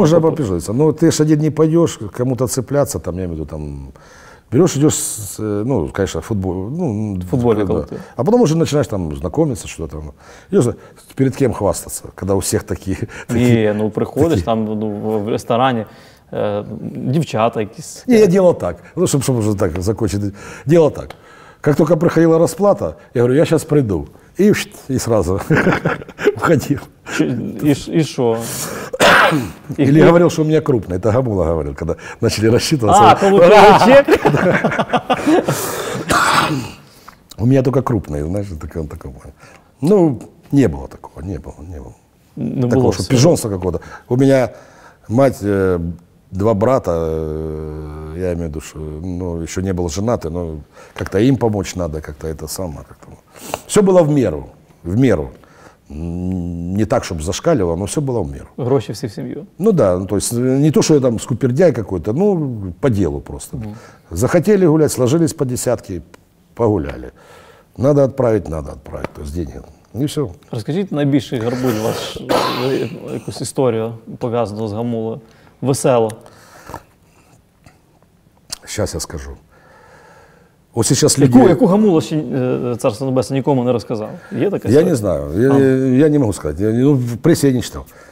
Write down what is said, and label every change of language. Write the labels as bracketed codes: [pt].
[ru] Можно попижониться, но ты ж один не пойдешь кому-то цепляться, там, я имею в виду, там, берешь, идешь, ну, конечно, футбол, а потом уже начинаешь там знакомиться, что-то там, идешь, перед кем хвастаться, когда у всех такие. Приходишь там, в ресторане. [uk] Девчата якісь. Ні, я діло так. Ну, щоб вже так закончити. Діло так. Як тільки приходила розплата, я говорю, я зараз прийду. І сразу входив. І що? [ru] Или говорил, что у меня крупный. Это Гамула говорил, когда начали рассчитываться. А, получил чек? У меня только крупный, знаешь, такой. Ну, не было такого, не было. Такого, что пижонство какого-то. У меня мать... Два брата, я имею в виду, что, ну, еще не был женатый, но как-то им помочь надо, как-то это самое. Как-то. Все было в меру. Не так, чтобы зашкаливало, но все было в меру. Гроши все в семью? Ну да, ну, то есть не то, что я там скупердяй какой-то, ну по делу просто. Угу. Захотели гулять, сложились по десятке, погуляли. Надо отправить, то есть деньги. [uk] І все. Розкажіть найбільший горбунь ваш, якусь історію, пов'язану з Гамулою. Весело. [ru] Сейчас я скажу. Ось сейчас люди... [uk] Яку Гамулу ще Царство Небесне нікому не розказав? Є така історія? Я не знаю. Я не можу сказати. В пресі я не читав.